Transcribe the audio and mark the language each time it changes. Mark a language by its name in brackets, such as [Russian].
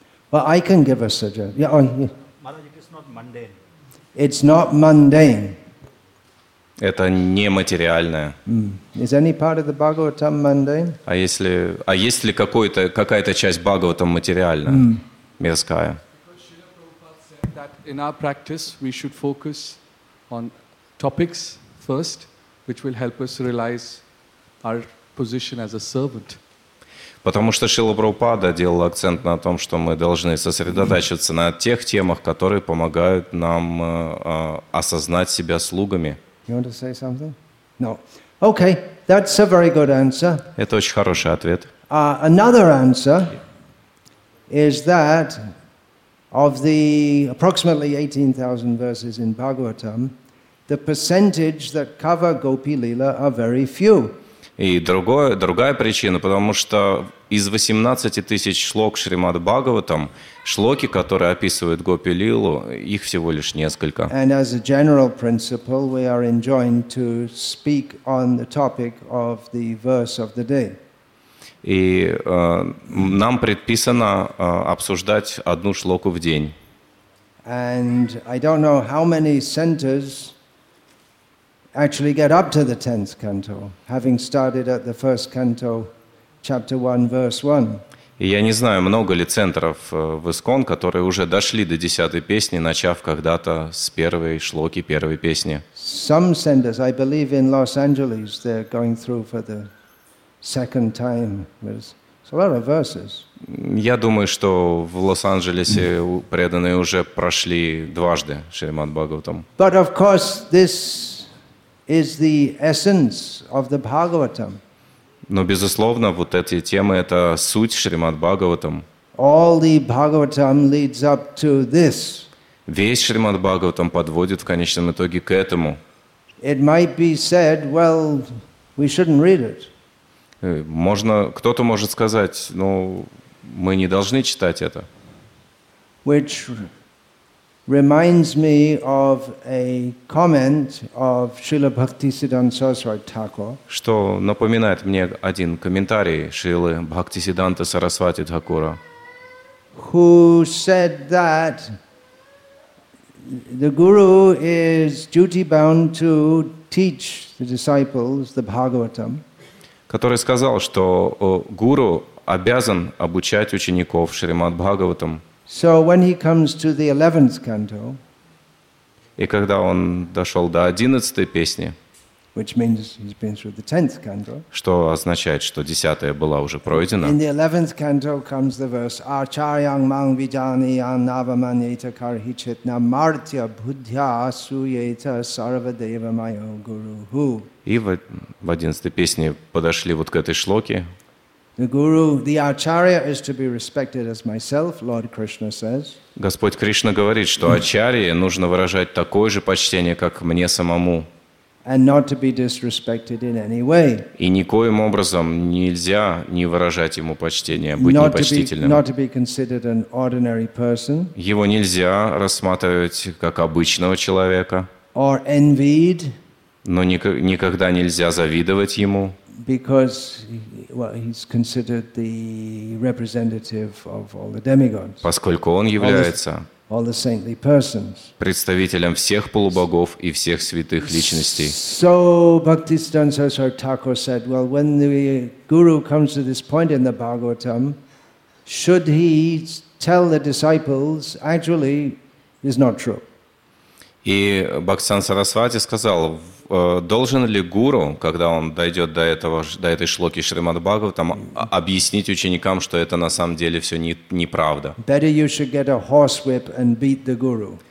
[English] Well, I can give a suggestion. Yeah, Maharaj, it's not mundane. It's not mundane. [Russian] Это не материальное. [English] Is any part of the Bhagavatam mundane? [Russian] А если какая-то часть Бхагаватам материальна? Мирская. [English] That in our practice we should focus on topics first, which will help us realize our position as a servant. [Russian] Потому что Шрила Прабхупада делал акцент на том, что мы должны сосредотачиваться на тех темах, которые помогают нам осознать себя слугами. [English] You want to say something? No. Okay, that's a very good answer. [Russian] Это очень хороший ответ. [English] Another answer. Is that of the approximately 18,000 verses in Bhagavatam, the percentage that cover Gopi Lila are very few. [Russian] И другая причина, потому что из 18,000 шлок Шримад Бхагаватам, шлоки, которые описывают Гопи Лилу, их всего лишь несколько. [English] And as a general principle, we are enjoined to speak on the topic of the verse of the day. [Russian] И нам предписано обсуждать одну шлоку в день. И я не знаю, много ли центров в ИСККОН, которые уже дошли до десятой песни, начав когда-то с первой шлоки, первой песни. [English] Some centers, I believe in Los Angeles, they're going through for the second time. It's a lot of verses. [Russian] Я думаю, что в Лос-Анджелесе преданные уже прошли дважды Шримад Бхагаватам. [English] But of course, this is the essence of the Bhagavatam. [Russian] Но безусловно, вот эти темы — это суть Шримад Бхагаватам. [English] All the Bhagavatam leads up to this. [Russian] Весь Шримад Бхагаватам подводит в конечном итоге к этому. [English] It might be said, well, we shouldn't read it. [Russian] Можно, кто-то может сказать, ну, мы не должны читать это. [English] Which reminds me of a comment of Srila Bhaktisiddhanta Saraswati Thakur. [Russian] Что напоминает мне один комментарий Шрилы Бхактисиддханта Сарасвати Тхакура. [English] Who said that the guru is duty bound to teach the disciples the Bhagavatam. [Russian] Который сказал, что гуру обязан обучать учеников Шримад Бхагаватам. [English] So when he comes to the 11th canto, [Russian] и когда он дошел до 11-й песни, [English] which means he's been through the 10th canto, [Russian] что означает, что 10-я была уже пройдена, [English] in the 11th canto comes the verse, [Sanskrit] Acharyang mang vijani an navamanyeta karhichit namartya buddhya suyeta sarvadeva mayo guru hu. [Russian] И в 11-й песне подошли вот к этой шлоке. [English] The guru, the acharya is to be respected as myself, Lord Krishna says. [Russian] Господь Кришна говорит, что ачарье нужно выражать такое же почтение, как мне самому. [English] And not to be disrespected in any way. [Russian] И никоим образом нельзя не выражать ему почтение, быть непочтительным. [English] Not to be considered an ordinary person. [Russian] Его нельзя рассматривать как обычного человека. [English] Or envied. [Russian] Но никогда нельзя завидовать ему. [English] Because, well, he's considered the representative of all the demigods. [Russian] Поскольку он является [English] all the saintly persons. [Russian] Представителем всех полубогов и всех святых личностей. [English] So Bhaktisiddhanta Saraswati Thakur said, well, when the guru comes to this point in the Bhagavatam, should he tell the disciples, actually, is not true. [Russian] И Бхактисиддханта Сарасвати сказал, должен ли гуру, когда он дойдет до этого, до этой шлоки Шримад Бхагаватам, объяснить ученикам, что это на самом деле все неправда? [English] Better you should get a horse whip and beat the guru.